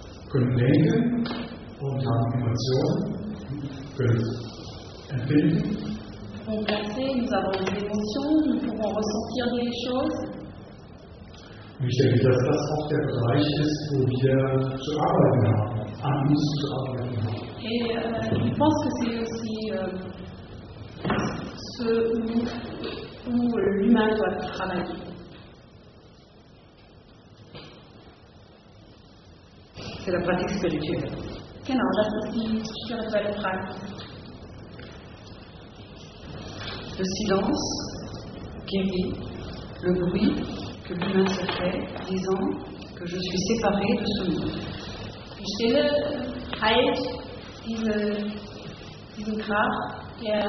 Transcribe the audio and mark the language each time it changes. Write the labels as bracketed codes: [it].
[de] Können denken und haben Emotionen. Können empfinden. [fr] Und passer, nous avons des émotions, nous pouvons ressentir des choses. [de] Ich denke, dass das auch der Bereich ist, wo wir zu arbeiten haben, an uns zu arbeiten haben. [fr] Et il pense que c'est aussi ce où l'humain doit travailler. C'est la pratique spirituelle. [de] Genau, das ist die spirituelle Praxis. [fr] Le silence guérit, le bruit que l'humain se fait, disant que je suis séparé de ce monde. [de] Die Stille heilt diesen Krach,